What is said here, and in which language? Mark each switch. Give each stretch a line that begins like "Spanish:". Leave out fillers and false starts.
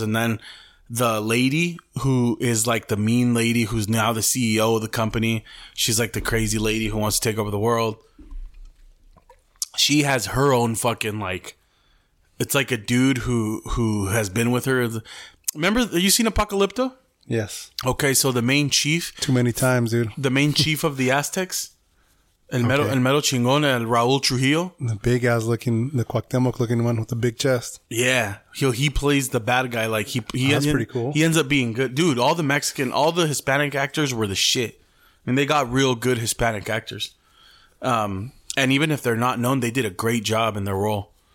English: And then the lady who is like the mean lady, who's now the CEO of the company, she's like the crazy lady who wants to take over the world. She has her own fucking, like, it's like a dude who has been with her. Remember, have you seen Apocalypto? Yes. Okay, so the main chief. Too many times, dude. The main chief of the Aztecs.
Spanish: El mero chingón, el Raúl Trujillo.
English: The big ass looking, the Cuauhtémoc looking one with the big chest. Yeah, he plays the bad guy. Like, he that's pretty cool. He ends up being good. Dude, all the Hispanic actors were the shit. I mean, they got real good Hispanic actors. And even if they're not known, they did a great job in their role.